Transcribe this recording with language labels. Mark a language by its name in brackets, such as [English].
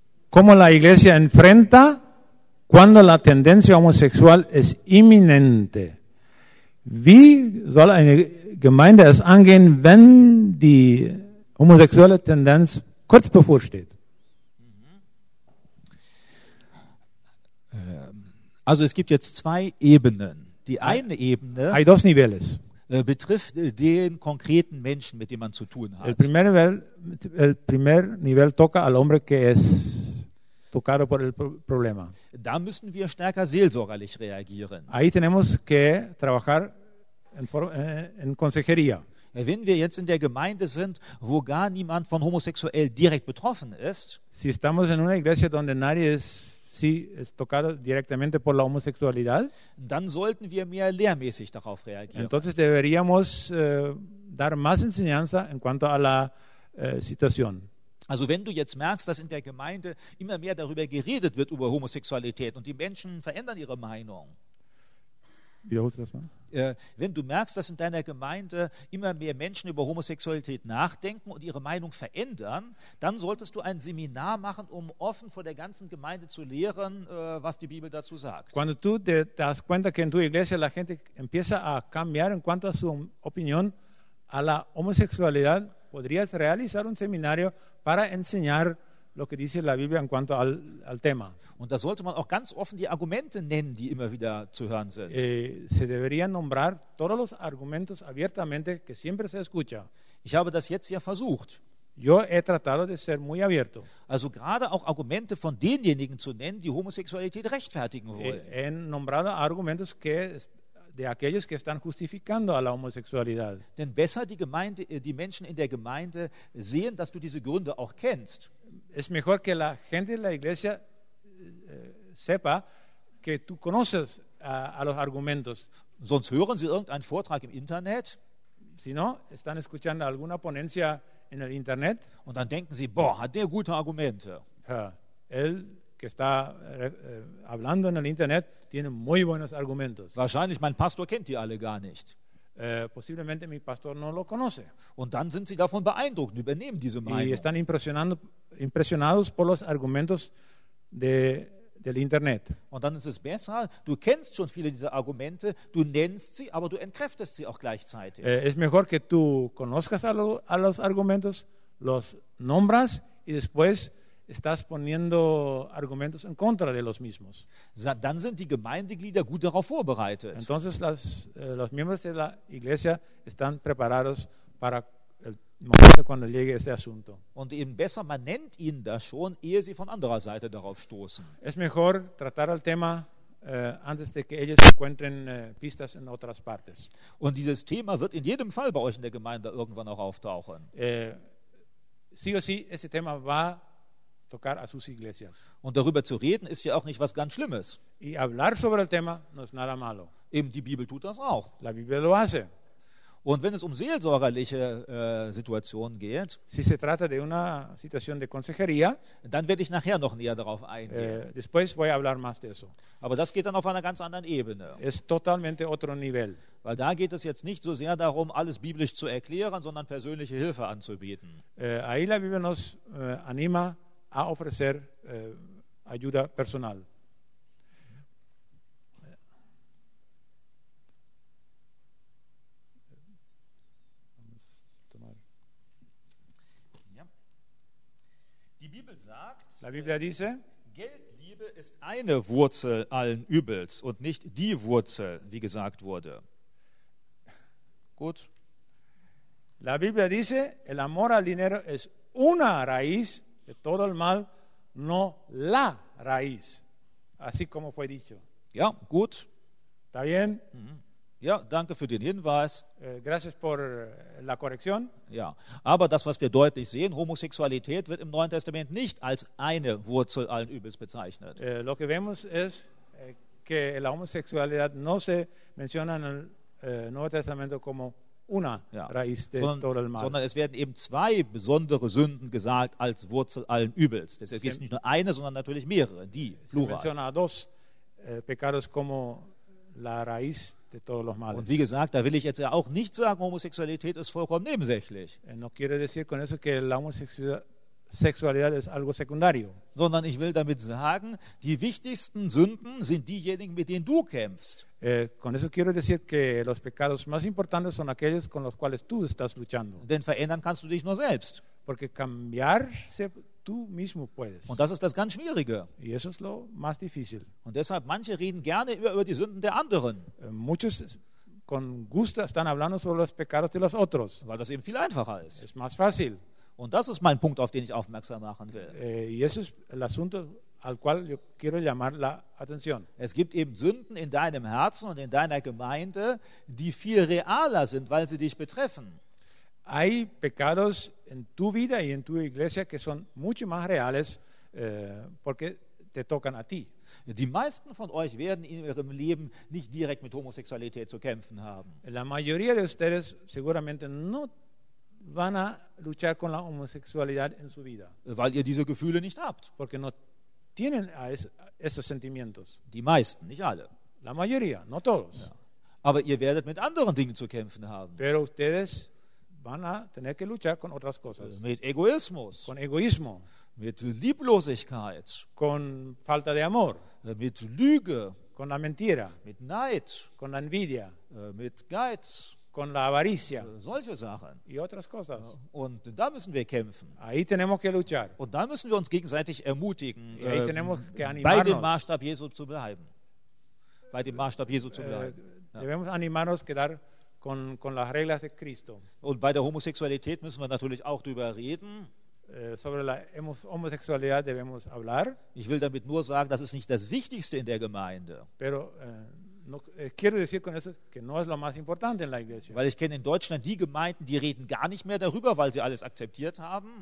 [Spanish] ¿Cómo la iglesia enfrenta cuando la tendencia homosexual es inminente? [German] Wie soll eine Gemeinde es angehen, wenn die homosexuelle Tendenz kurz bevorsteht? Also es gibt jetzt zwei Ebenen. Die eine Ebene [Spanish] hay dos niveles. [German] Betrifft den konkreten Menschen, mit dem man zu tun hat. [Spanish] El primer nivel toca al hombre que es tocado por el problema. [German] Da müssen wir stärker seelsorgerlich reagieren. [Spanish] Ahí tenemos que trabajar en consejería. [German] Wenn wir jetzt in der Gemeinde sind, wo gar niemand von homosexuell direkt betroffen ist, [Spanish] si estamos en una iglesia donde nadie es, si es tocado directamente por la homosexualidad, [German] dann sollten wir mehr lehrmäßig darauf reagieren. [Spanish] Entonces deberíamos dar más enseñanza en cuanto a la situación. [German] Also wenn du jetzt merkst, dass in der Gemeinde immer mehr darüber geredet wird, über Homosexualität, und die Menschen verändern ihre Meinung. Wiederholst du das mal? Wenn du merkst, dass in deiner Gemeinde immer mehr Menschen über Homosexualität nachdenken und ihre Meinung verändern, dann solltest du ein Seminar machen, um offen vor der ganzen Gemeinde zu lehren, was die Bibel dazu sagt. [Spanish] Cuando tú te das cuenta que en tu iglesia la gente empieza a cambiar en cuanto a su opinión a la homosexualidad, podrías realizar un seminario para enseñar lo que dice la Biblia en cuanto al tema. [German] Und da sollte man auch ganz offen die Argumente nennen, die immer wieder zu hören sind. [Spanish] Se deberían nombrar todos los argumentos abiertamente que siempre se escucha. [German] Ich habe das jetzt ja versucht. [Spanish] Yo he tratado de ser muy abierto. [German] Also gerade auch Argumente von denjenigen zu nennen, die Homosexualität rechtfertigen wollen. [Spanish] He nombrado argumentos que de aquellos que están justificando a la homosexualidad. [German] Denn besser die Menschen in der Gemeinde sehen, dass du diese Gründe auch kennst. [Spanish] Es mejor que la gente de la iglesia sepa que tú conoces a los argumentos. [German] Sonst hören sie irgendeinen Vortrag im Internet. [Spanish] Si no, están escuchando alguna ponencia en el Internet. [German] Und dann denken sie, boah, hat der gute Argumente. [Spanish] Ja, él que está hablando en el Internet tiene muy buenos argumentos. [German] Wahrscheinlich mein Pastor kennt die alle gar nicht. [Spanish] Posiblemente mi pastor no lo conoce. [German] Und dann sind sie davon beeindruckt, übernehmen diese Meinung. [Spanish] Y están impresionados por los argumentos del Internet. [German] Und dann ist es besser, du kennst schon viele dieser Argumente, du nennst sie, aber du entkräftest sie auch gleichzeitig. [Spanish] Es mejor que tú conozcas a los argumentos, los nombras y después estás poniendo argumentos en contra de los mismos. [German] Dann sind die Gemeindeglieder gut darauf vorbereitet. [Spanish] Entonces los miembros de la iglesia están preparados para el momento cuando llegue este asunto. [German] Und eben besser, man nennt ihn da schon, ehe sie von anderer Seite darauf stoßen. [Spanish] Es mejor tratar el tema antes de que ellos encuentren pistas en otras partes. [German] Und dieses Thema wird in jedem Fall bei euch in der Gemeinde irgendwann auch auftauchen. [Spanish] Sí o sí, ese tema va tocar a sus iglesias. [German] Und darüber zu reden ist ja auch nicht was ganz Schlimmes. [Spanish] Y hablar sobre el tema no es nada malo. [German] Eben die Bibel tut das auch. [Spanish] La Biblia lo hace. [German] Und wenn es um seelsorgerliche Situationen geht, [Spanish] si se trata de una situación de consejería, [German] dann werde ich nachher noch näher darauf eingehen. [Spanish] Después voy a hablar más de eso. [German] Aber das geht dann auf einer ganz anderen Ebene. [Spanish] Es totalmente otro nivel. [German] Weil da geht es jetzt nicht so sehr darum, alles biblisch zu erklären, sondern persönliche Hilfe anzubieten. [Spanish] Ahí la Biblia nos anima a ofrecer ayuda personal. [German] Ja. Die Bibel sagt, [Spanish] la Biblia dice, [German] Geldliebe ist eine Wurzel allen Übels und nicht die Wurzel, wie gesagt wurde. Gut. [Spanish] La Biblia dice, el amor al dinero es una raíz de todo el mal, no la raíz, así como fue dicho. [German] Ja, gut. [Spanish] Está bien. [German] Ja, danke für den Hinweis. [Spanish] Gracias por la corrección. [German] Ja, aber das, was wir deutlich sehen, Homosexualität wird im Neuen Testament nicht als eine Wurzel allen Übels bezeichnet. [Spanish] Lo que vemos es que la homosexualidad no se menciona en el Nuevo Testamento como una raíz de todo el mal. [German] Sondern es werden eben zwei besondere Sünden gesagt als Wurzel allen Übels. Das heißt, es gibt nicht nur eine, sondern natürlich mehrere, die Plural. [Spanish] Se menciona dos pecados como la raíz de todos los males. [German] Und wie gesagt, da will ich jetzt ja auch nicht sagen, Homosexualität ist vollkommen nebensächlich. [Spanish] No quiere decir con eso que la homosexualidad es algo secundario. [German] Sondern ich will damit sagen, die wichtigsten Sünden sind diejenigen, mit denen du kämpfst. [Spanish] Con eso quiero decir que los pecados más importantes son aquellos con los cuales tú estás luchando. [German] Denn verändern kannst du dich nur selbst. [Spanish] Porque cambiarse tú mismo puedes. [German] Und das ist das ganz Schwierige. [Spanish] Y eso es lo más difícil. [German] Und deshalb, manche reden gerne über die Sünden der anderen. [Spanish] Muchos con gusto están hablando sobre los pecados de los otros. [German] Weil das eben viel einfacher ist. [Spanish] Es más fácil. [German] Und das ist mein Punkt, auf den ich aufmerksam machen will. [Spanish] Y ese es el asunto al cual yo quiero llamar la atención. [German] Es gibt eben Sünden in deinem Herzen und in deiner Gemeinde, die viel realer sind, weil sie dich betreffen. [Spanish] Hay pecados en tu vida y en tu iglesia que son mucho más reales porque te tocan a ti. [German] Die meisten von euch werden in ihrem Leben nicht direkt mit Homosexualität zu kämpfen haben. [Spanish] La mayoría de ustedes seguramente no van a luchar con la homosexualidad en su vida. [German] Weil ihr diese Gefühle nicht habt. [Spanish] Porque no tienen esos sentimientos. [German] Die meisten, nicht alle. [Spanish] La mayoría, no todos. Ja. [German] Aber ihr werdet mit anderen Dingen zu kämpfen haben. [Spanish] Pero ustedes van a tener que luchar con otras cosas. [German] Mit Egoismus. [Spanish] Con egoísmo. [German] Mit Lieblosigkeit. [Spanish] Con falta de amor. [German] Mit Lüge. [Spanish] Con la mentira. [German] Mit Neid. [Spanish] Con la envidia. [German] Mit Geiz. [Spanish] Con la avaricia. [German] Solche Sachen. [Spanish] Y otras cosas. [German] Und da müssen wir kämpfen. [Spanish] Ahí tenemos que luchar. [German] Und da müssen wir uns gegenseitig ermutigen, [Spanish] ahí tenemos que animarnos. [German] Bei dem Maßstab Jesu zu bleiben. Bei dem Maßstab Jesu zu bleiben. [Spanish] Debemos animarnos a quedar con las reglas de Cristo. [German] Und bei der Homosexualität müssen wir natürlich auch drüber reden. [Spanish] Sobre la homosexualidad debemos hablar. [German] Ich will damit nur sagen, das ist nicht das Wichtigste in der Gemeinde. [Spanish] Pero no, quiero decir con eso que no es lo más importante en la iglesia. [German] Weil ich kenne in Deutschland die Gemeinden, die reden gar nicht mehr darüber, weil sie alles akzeptiert haben.